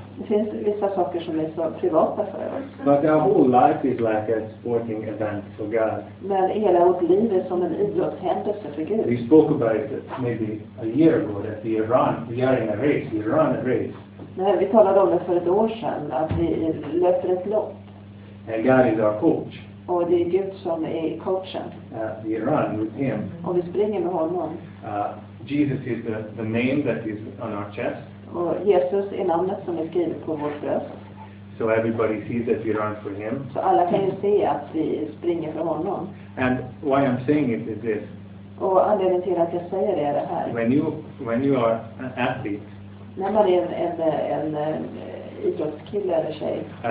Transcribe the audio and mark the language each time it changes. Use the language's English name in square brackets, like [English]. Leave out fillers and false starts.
[Swedish] Det finns vissa saker som är så privata för oss. [English] But our whole life is like a sporting event for God. [Swedish] Men hela vårt liv är som en idrottshändelse för Gud. [English] We spoke about it maybe a year ago that we run a race. [Swedish] Nej, vi talade om det för ett år sedan att vi löper ett lopp. [English] And God is our coach. [Swedish] Och det är Gud som är coachen. [English] We run with him. [Swedish] Och vi springer med honom. [English] Jesus is the name that is on our chest. [Swedish] Och Jesus är namnet som är skrivet på vårt bröst. [English] So everybody sees that we run for him. [Swedish] Så alla kan ju se att vi springer för honom. [English] And why I'm saying it is this. [Swedish] Och anledningen till att jag säger det är det här. [English] When you are an athlete. [Swedish] När man är en idrottskille eller tjej.